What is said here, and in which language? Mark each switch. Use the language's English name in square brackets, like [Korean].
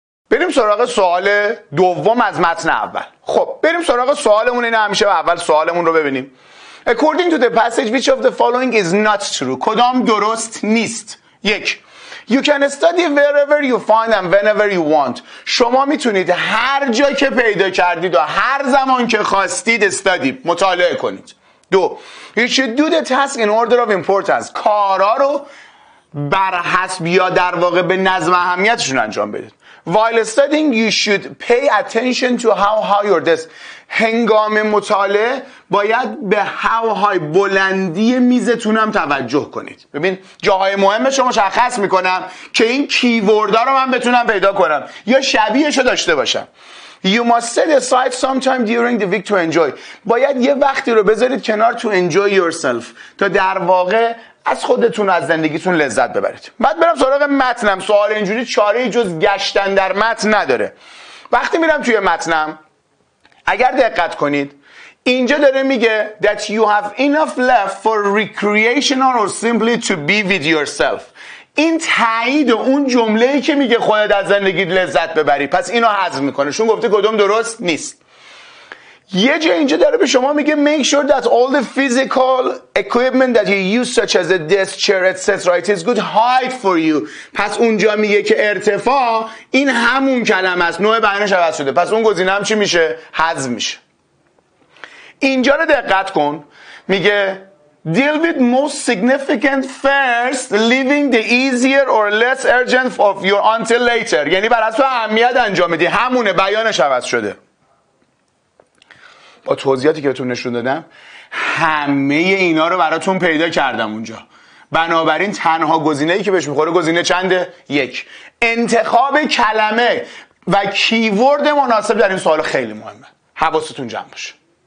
[Persian] بریم سراغ سوال دوم از متن اول. خب بریم سراغ سوالمون. اینه همیشه اول سوالمون رو ببینیم. [English] According to the passage, which of the following is not true? [Persian] کدام درست نیست؟ یک، [English] You can study wherever you find and whenever you want. [Persian] شما میتونید هر جا که پیدا کردید و هر زمان که خواستید استادی مطالعه کنید. دو، [English] You should do the task in order of importance. [Persian] کارا رو بر حسب یا در واقع به نظم اهمیتشون انجام بدید. [English] While studying you should pay attention to how high your desk. [Persian] هنگام مطالعه باید به [English] how high، [Persian] بلندی میزتون هم توجه کنید. ببین جاهای مهمش رو مشخص میکنم که این کیوردها رو من بتونم پیدا کنم یا شبیهشو داشته باشم. [English] You must set aside some time during the week to enjoy. [Persian] باید یه وقتی رو بذارید کنار [English] to enjoy yourself [Persian] تا در واقع از خودتون و از زندگیتون لذت ببرید. بعد برم سراغ متنم. سوال اینجوری چاره جز گشتن در متن نداره. وقتی میرم توی متنم اگر دقت کنید اینجا داره میگه [English] that you have enough left for recreation or simply to be with yourself. [Persian] این تایید اون جمله ای که میگه خودت از زندگیت لذت ببری، پس اینو حذف میکنه چون گفته کدوم درست نیست. یه جا اینجا داره به شما میگه [English] make sure that all the physical equipment that you use such as a desk, chair, etc. it is good height for you. [Persian] پس اونجا میگه که ارتفاع، این همون کلمه است، نوع بیانش عوض شده، پس اون گزینه هم چی میشه؟ حذف میشه. اینجا رو دقت کن، میگه [English] deal with most significant first leaving the easier or less urgent of your until later. [Persian] یعنی برای تو اهمیت انجام میدی، همونه، بیانش عوض شده. با توضیحاتی که بهتون نشون دادم همه اینا رو براتون پیدا کردم اونجا. بنابراین تنها گزینه‌ای که بهش می‌خوره گزینه چنده؟ یک. انتخاب کلمه و کیورد مناسب در این سوال خیلی مهمه، حواستون جمع باشه.